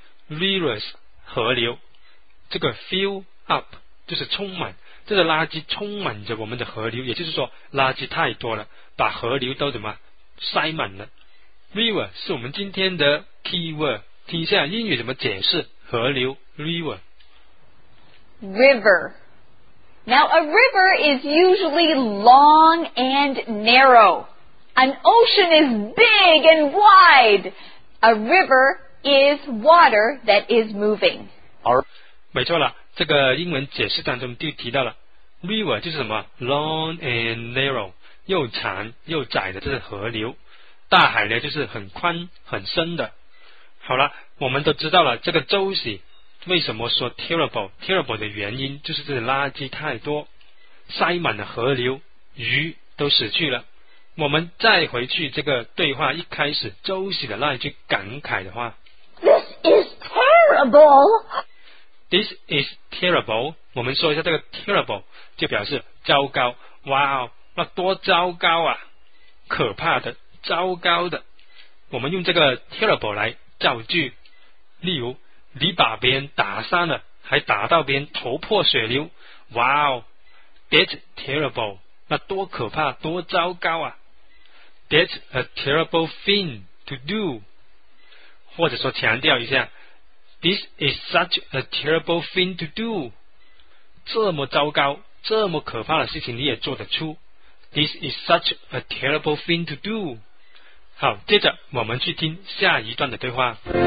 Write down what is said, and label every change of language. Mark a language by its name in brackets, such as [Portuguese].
[Chinese] Rivers 河流，这个 [English] fill up [Chinese] 就是充满，这个垃圾充满着我们的河流，也就是说垃圾太多了，把河流都怎么塞满了。 River 是我们今天的 keyword， 听一下英语怎么解释河流 river。 [English] River。 Now, a river is usually long and narrow. An ocean is big and wide. A river is water that is moving. [Chinese] 没错了，这个英文解释当中就提到了 river 就是什么 [English] long and narrow， [Chinese] 又长又窄的，这是河流。大海呢，就是很宽很深的。好了，我们都知道了这个周期为什么说 terrible， terrible 的原因就是这些垃圾太多，塞满了河流，鱼都死去了。我们再回去这个对话一开始周喜的那一句感慨的话， [English] This is terrible. This is terrible. [Chinese] 我们说一下这个 terrible 就表示糟糕。哇，那多糟糕啊，可怕的，糟糕的。我们用这个 terrible 来造句，例如你把别人打伤了，还打到别人头破血流。哇哦 [English] ，That's terrible， [Chinese] 那多可怕，多糟糕啊 [English] ！That's a terrible thing to do。 [Chinese] 或者说强调一下 [English] ，This is such a terrible thing to do。 [Chinese] 这么糟糕、这么可怕的事情你也做得出 ？ [English] This is such a terrible thing to do。 [Chinese] 好，接着我们去听下一段的对话。